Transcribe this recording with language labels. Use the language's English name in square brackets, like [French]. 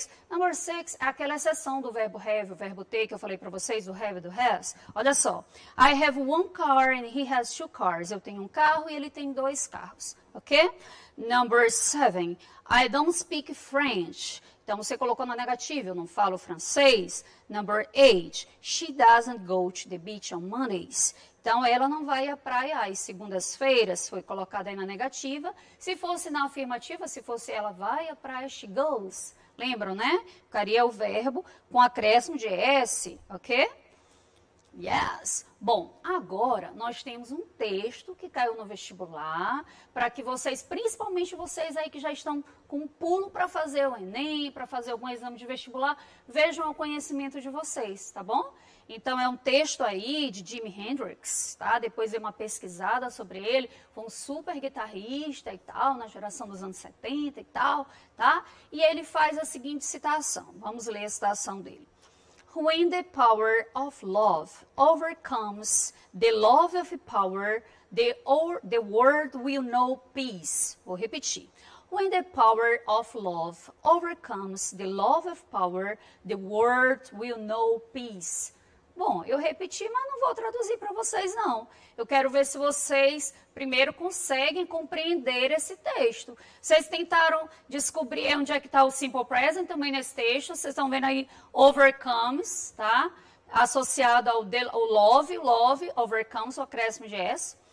[Portuguese] Number six é aquela exceção do verbo have, o verbo ter, que eu falei para vocês, o have e do has. Olha só, [English] I have one car and he has two cars. [Portuguese] Eu tenho um carro e ele tem dois carros, ok? [English] Number seven, I don't speak French. [Portuguese] Então, você colocou na negativa, eu não falo francês. [English] Number eight, she doesn't go to the beach on Mondays. [Portuguese] Então, ela não vai à praia às segundas-feiras, foi colocada aí na negativa. Se fosse na afirmativa, se fosse ela vai à praia, she goes. Lembram, né? Ficaria o verbo com acréscimo de S, ok? Yes. Bom, agora nós temos um texto que caiu no vestibular para que vocês, principalmente vocês aí que já estão com um pulo para fazer o Enem, para fazer algum exame de vestibular, vejam o conhecimento de vocês, tá bom? Então, é um texto aí de Jimi Hendrix, tá? Depois dei uma pesquisada sobre ele, foi um super guitarrista e tal, na geração dos anos 70 e tal, tá? E ele faz a seguinte citação, vamos ler a citação dele. [English] When the power of love overcomes the love of power, the world will know peace. [Portuguese] Vou repetir. [English] When the power of love overcomes the love of power, the world will know peace. [Portuguese] Bom, eu repeti, mas não vou traduzir para vocês, não. Eu quero ver se vocês, primeiro, conseguem compreender esse texto. Vocês tentaram descobrir onde é que está o simple present também nesse texto. Vocês estão vendo aí, overcomes, tá? Associado ao love, overcomes, o acréscimo de S.